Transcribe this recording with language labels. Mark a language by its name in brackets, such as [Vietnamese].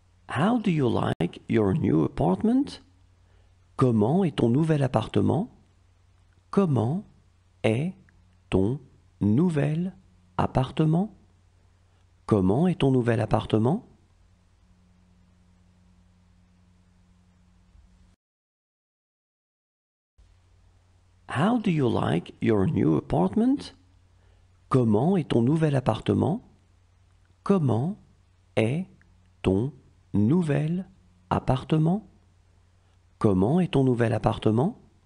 [English] How do you like your new apartment? [French] Comment est ton nouvel appartement? Comment est ton nouvel appartement? Comment est ton nouvel appartement? [English] How do you like your new apartment? [French] Comment est ton nouvel appartement? Comment est ton nouvel appartement? Comment est ton nouvel appartement?